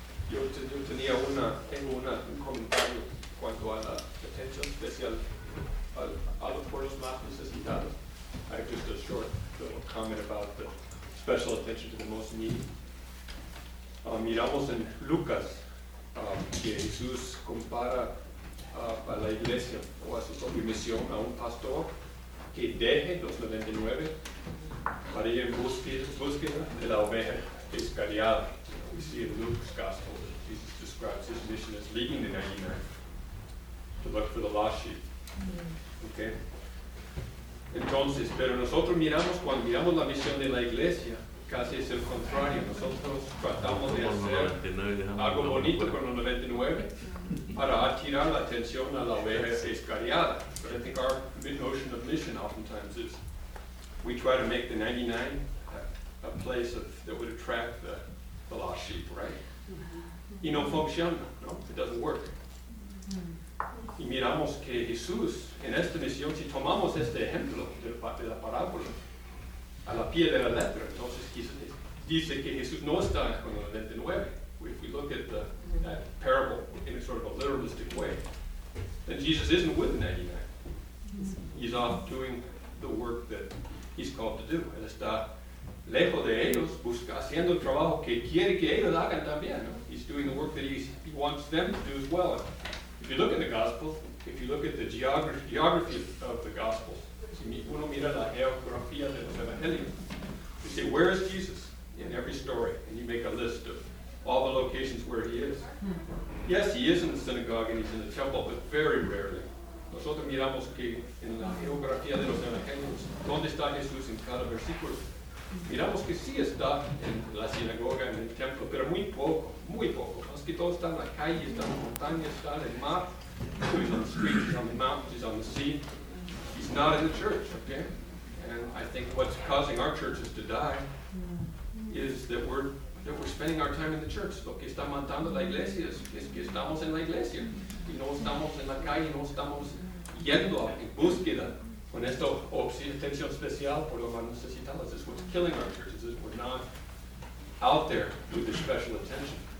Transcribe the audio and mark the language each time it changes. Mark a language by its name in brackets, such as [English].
[Spanish] Yo tengo un comentario en cuanto a la atención especial a los pueblos más necesitados. [English] I have just a short little comment about the special attention to the most needy. [Spanish] Miramos en Lucas que Jesús compara a la iglesia o a su propia misión a un pastor que deje los 99 para ir en búsqueda de la oveja descarriada. [English] We see in Luke's gospel that Jesus describes his mission as leaving the 99 to look for the lost sheep. Okay. [Spanish] Entonces, pero nosotros miramos, cuando miramos la misión de la iglesia, casi es el contrario. Nosotros tratamos de hacer algo bonito con los 99 para atirar la atención a la oveja descarriada. [English] But I think our notion of mission oftentimes is we try to make the 99 a place of, that would attract the lost sheep, right? [Spanish] Y no funciona, no? [English] It doesn't work. [Spanish] Y miramos que Jesús, en esta misión, si tomamos este ejemplo de la parábola, a la pie de la letra, entonces dice que Jesús no está con los 99. [English] If we look at that parable in a sort of a literalistic way, then Jesus isn't with the 99. He's off doing the work that he's called to do. [Spanish] Él está lejos de ellos, busca haciendo el trabajo que quiere que ellos hagan también. No? [English] He's doing the work that he wants them to do as well. If you look at the Gospels, if you look at the geography of the Gospels, [Spanish] si uno mira la geografía de los Evangelios, [English] you say, where is Jesus in every story? And you make a list of all the locations where he is. Yes, he is in the synagogue and he's in the temple, but very rarely. [Spanish] Nosotros miramos que en la geografía de los Evangelios, ¿dónde está Jesús en cada versículo? Miramos que sí está en la sinagoga, en el templo, pero muy poco, muy poco. Más que todo está en la calle, está en la montaña, está en el mar. [English] So he's on the streets, he's on the mountains, he's on the sea. He's not in the church, okay? And I think what's causing our churches to die is that we're spending our time in the church. [Spanish] Lo que está matando la iglesia es que estamos en la iglesia. Y no estamos en la calle, no estamos yendo en búsqueda con esta atención especial por lo más necesitado. [English] This is what's killing our churches, is we're not out there with the special attention.